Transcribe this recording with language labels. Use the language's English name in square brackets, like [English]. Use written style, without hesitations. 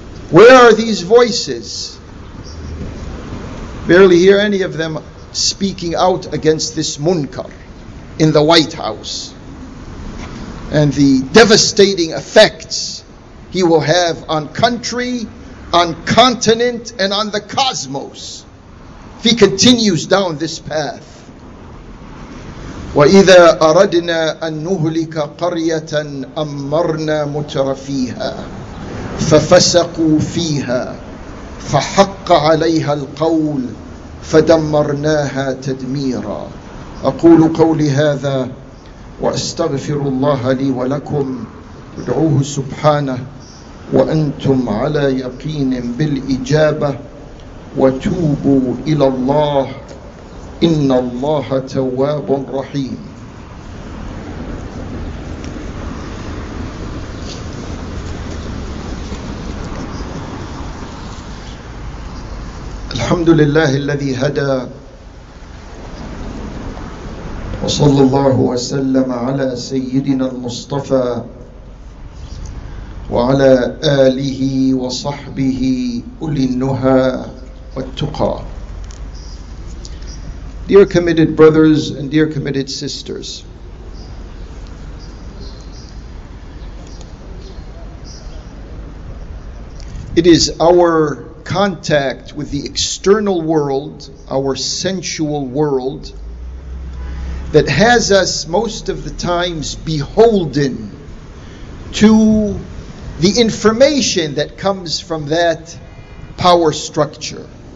[English] Where are these voices? Barely hear any of them speaking out against this munkar in the White House and the devastating effects he will have on country, on continent, and on the cosmos if he continues down this path. [Arabic] وَإِذَا أَرَدْنَا أَن نُهْلِكَ قَرْيَةً أَمَّرْنَا مُتْرَفِيهَا فَفَسَقُوا فِيهَا فَحَقَّ عَلَيْهَا الْقَوْلُ فَدَمَّرْنَاهَا تَدْمِيرًا أقول قولي هذا وأستغفر الله لي ولكم ادعوه سبحانه وأنتم على يقين بالإجابة وتوبوا إلى الله إن الله تواب رحيم الحمد لله الذي هدى وصلى الله وسلم على سيدنا المصطفى وعلى آله وصحبه أولي النهى والتقى. [English] Dear committed brothers and dear committed sisters, it is our contact with the external world, our sensual world, that has us most of the times beholden to the information that comes from that power structure.